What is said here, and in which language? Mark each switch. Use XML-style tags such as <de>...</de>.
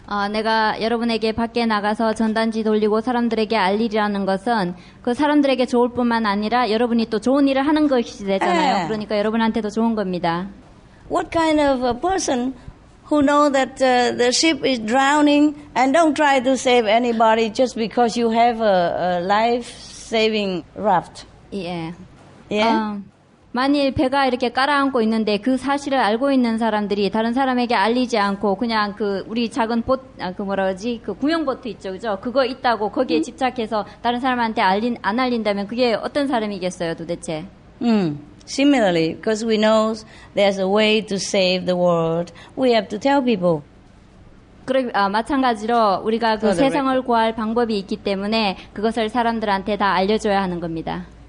<ko>내가 여러분에게 밖에 나가서 전단지 돌리고 사람들에게 알리라는 것은 그 사람들에게 좋을 뿐만 아니라 여러분이 또 좋은 일을 하는 것이 되잖아요. 그러니까 여러분한테도 좋은 겁니다.</ko> <en>What kind of a person who know that the ship is drowning and don't try to save anybody just because you have a life-saving raft? Yeah. Yeah.</en> <ko>만일 배가 이렇게 깔아앉고 있는데 그 사실을 알고 있는 사람들이 다른 사람에게 알리지 않고 그냥 그 우리 작은 그 구명보트 있죠, 그죠? 그거 있다고 거기에 집착해서 다른 사람한테 안 알린다면 그게 어떤 사람이겠어요, 도대체?</ko> <en>Similarly, because we know there's a way to save the world, we have to tell people.</en> <ko>마찬가지로 우리가 그 세상을 구할 방법이 있기 때문에 그것을 사람들한테 다 알려줘야 하는 겁니다.</ko>